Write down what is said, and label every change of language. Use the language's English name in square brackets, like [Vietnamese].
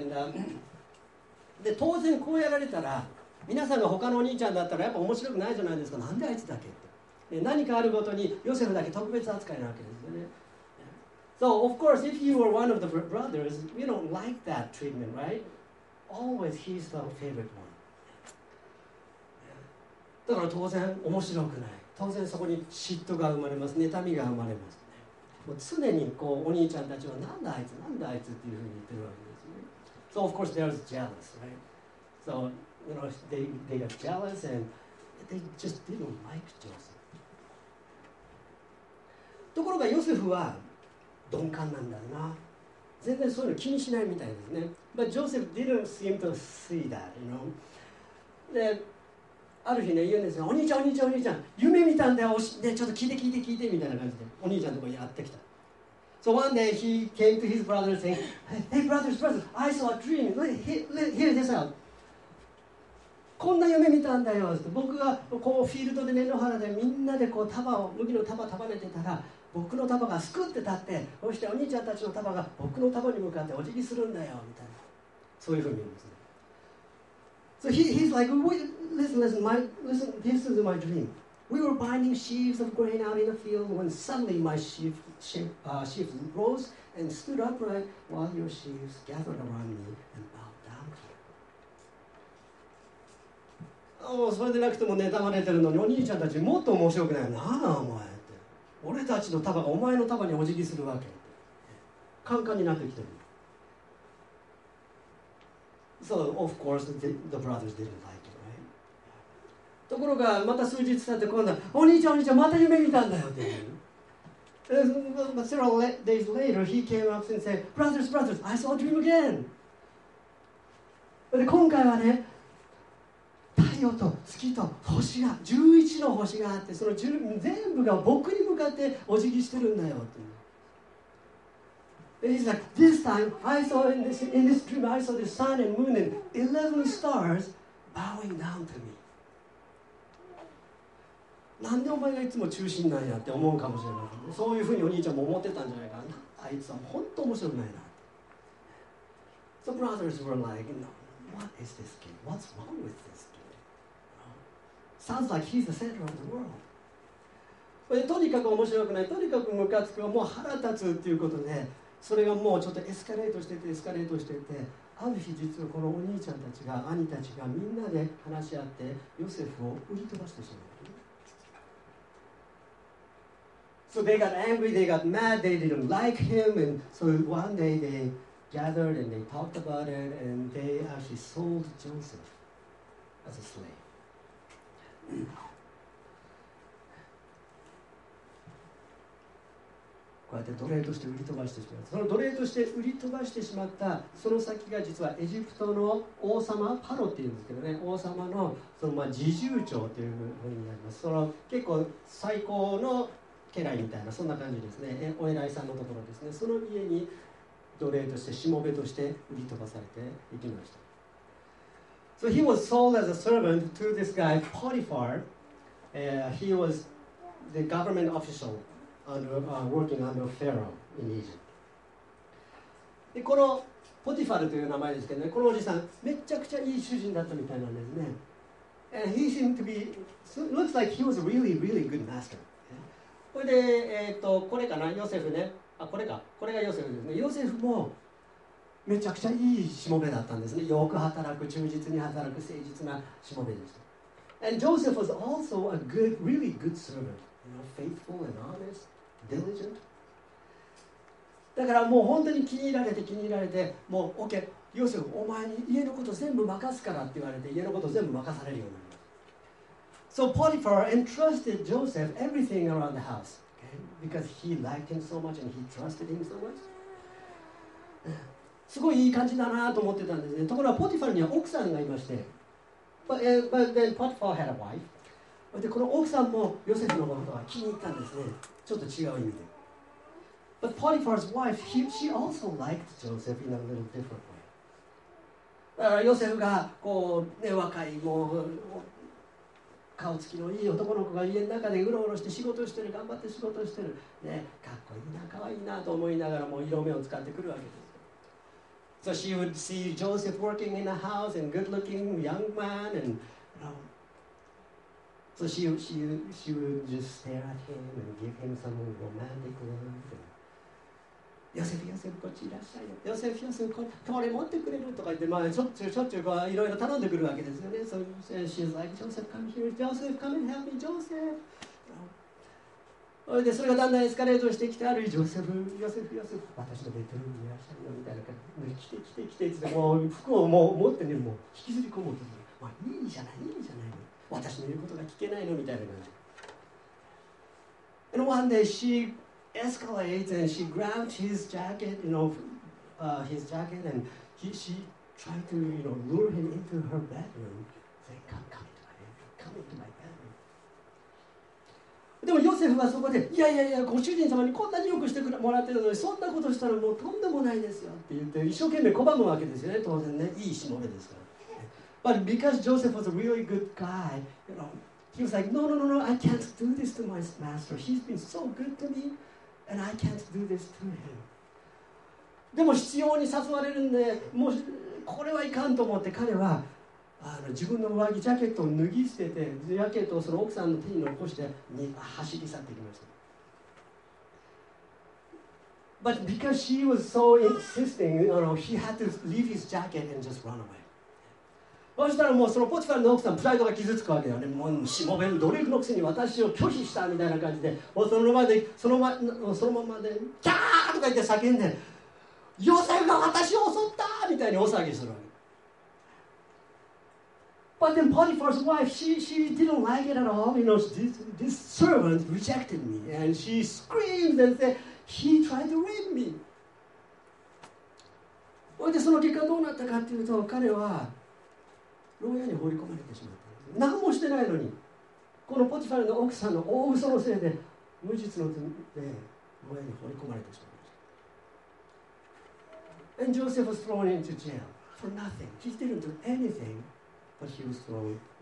[Japanese] And, で当然こうやられたら、皆さんが他のお兄ちゃんだったらやっぱ面白くないじゃないですか。なんであいつだけって。何かあるごとにヨセフだけ特別扱いなわけですよね。 [English] So of course, if you were one of the brothers, you don't like that treatment, right? Always he's the favorite one. [Japanese] だから当然面白くない。当然そこに嫉妬が生まれます。妬みが生まれます。もう常にこうお兄ちゃんたちはなんだあいつ、なんだあいつっていうふうに言ってるわけですね。 [English] So of course they're jealous, right? So you know they got jealous and they just didn't like Joseph. [Japanese] ところがヨセフは鈍感なんだな。全然そういうの気にしないみたいですね。 [English] But Joseph didn't seem to see that, you know. [Japanese] で、ある日ね、言うんですよ。お兄ちゃん、お兄ちゃん、お兄ちゃん、夢見たんだよ。ね、ちょっと聞いて、聞いて、聞いてみたいな感じで、お兄ちゃんのところにやってきた。 [English] So one day he came to his brother saying, Hey, brothers, brothers, I saw a dream. Hear this out. [Japanese] こんな夢見たんだよ。って僕がこうフィールドで根の原でみんなでこう束を、麦の束束ねてたら、僕の束がすくって立って、そしてお兄ちゃんたちの束が僕の束に向かってお辞儀するんだよ、みたいな。そういうふうに言うんですね。 [English] So he's like, listen, this is my dream. We were binding sheaves of grain out in the field when suddenly my sheaf rose and stood upright while your sheaves gathered around me and bowed down to you. [Japanese] Oh, それでなくても妬まれてるのに、お兄ちゃんたちもっと面白くないよな、お前。俺たちの束がお前の束にお辞儀するわけ。カンカンになってきてる。 [English] So, of course, the brothers didn't like it, right? [Japanese] ところが、また数日経って今度は、お兄ちゃん、お兄ちゃん、また夢見たんだよっていう。 [English] Several days later, he came up and said, Brothers, brothers, I saw a dream again! [Japanese] で、今回はね、太陽と月と星が11の星があってその全部が僕に向かってお辞儀してるんだよって。 [English] And he's like, this time I saw in this dream I saw the sun and moon and 11 stars bowing down to me. [Japanese] なんでお前がいつも中心なんやって思うかもしれない。そういうふうにお兄ちゃんも思ってたんじゃないかな。あいつは本当面白くないな。 [English] So brothers were like, no, what is this kid? What's wrong with this kid? Sounds like he's the center of the world. [Japanese] とにかく面白くない、とにかくムカつく、もう腹立つっていうことで、それがもうちょっとエスカレートしてて、ある日実はこのお兄ちゃんたちが、兄たちがみんなで話し合って、ヨセフを売り飛ばしてしまう。 [English] So they got angry, they got mad, they didn't like him, and so one day they gathered and they talked about it, and they actually sold Joseph as a slave. [Japanese] こうやって奴隷として売り飛ばしてしまった。その奴隷として売り飛ばしてしまったその先が実はエジプトの王様パロっていうんですけどね、王様のそのまあ侍従長っていうふうになります。その結構最高の家来みたいな、そんな感じですね。お偉いさんのところですね。その家に奴隷としてしもべとして売り飛ばされていきました。 [English] So he was sold as a servant to this guy Potiphar、he was the government officialworking under Pharaoh in Egypt. [Japanese] でこのポティファルという名前ですけどね、このおじさんめちゃくちゃいい主人だったみたいなんですね。 [English] And he seemed to be looks like he was a really really good master. [Japanese] これで、これかな、ヨセフね、あこれか、これがヨセフですね。ヨセフもめちゃくちゃいいしもべだったんですね。よく働く、忠実に働く、誠実なしもべでした。 [English] And Joseph was also a good, really good servant. Faithful and honest, diligent. [Japanese] だからもう本当に気に入られて気に入られて、もう OK、ヨセフ、お前に家のこと全部任すからって言われて、家のこと全部任されるようになります。 [English] So Potiphar entrusted Joseph everything around the house, okay? Because he liked him so much and he trusted him so much. [Japanese] すごいいい感じだなと思ってたんですね。ところがポティファルには奥さんがいまして、 [English] but then Potiphar had a wife. [Japanese] でこの奥さんもヨセフのことは気に入ったんですね。ちょっと違う意味で。 [English] But Potiphar's wife, she also liked Joseph in a little different way. [Japanese] だからヨセフがこう、ね、若いもう顔つきのいい男の子が家の中でうろうろして仕事してる、頑張って仕事してる、ね、かっこいいな、かわいいなと思いながらもう色目を使ってくるわけです。 [English] So she would see Joseph working in a house and good looking young man and you knowSo she would just stare at him and give him some romantic love. [Japanese] Joseph, Joseph, こっちいらっしゃいよ。Joseph, Joseph, これ持ってくれるとか言って、まあ、しょっちゅういろいろ頼んでくるわけですよね。 [English] So she's like, Joseph, come here. Joseph, come and help me. Joseph. [Japanese] それでそれがだんだんエスカレートしてきて、ある日、Joseph, Joseph, Joseph, 私のベッドルームにいらっしゃるよみたいな感じで、来てって言って、服をもう持ってね、もう引きずり込もうとする。まあ、いいじゃない。私の言うことが聞けないのみたいな感じ。 [English] And one day she escalates and she grabbed his jacket, you know, his jacket, and she tried to, you know, lure him into her bedroom, saying, "Come into my bedroom." [Japanese] でもヨセフはそこで、いやいやいや、ご主人様にこんなによくしてもらってるのに、そんなことしたらもうとんでもないですよって言って、一生懸命拒むわけですよね、当然ね、いいしもべですから。 [English] But because Joseph was a really good guy, you know, he was like, no, I can't do this to my master. He's been so good to me, and I can't do this to him. [Japanese] でも必要に誘われるんで、もうこれはいかんと思って、彼は自分の上着、ジャケットを脱ぎ捨てて、ジャケットをその奥さんの手に残して走り去っていきました。 [English] But because she was so insisting, you know, he had to leave his jacket and just run away. [Japanese] そしたらもうそのポチカルの奥さんプライドが傷つくわけだよね。もうしもべの奴隷のくせに私を拒否したみたいな感じで、もうその前でそのままでキャーとか言って叫んで、ヨセフが私を襲ったみたいに大騒ぎするわけ。 [English] But then Potiphar's wife, she didn't like it at all. You know, this servant rejected me and she screamed and said, he tried to rape me. [Japanese] それでその結果どうなったかっていうと、彼は牢屋に放り込まれてしまった。何もしてないのに、このポティファルの奥さんの大嘘のせいで無実の罪で牢屋に放り込まれてしまいました。 [English] And Joseph was thrown into jail for nothing. He didn't do anything, but he was thrown into jail.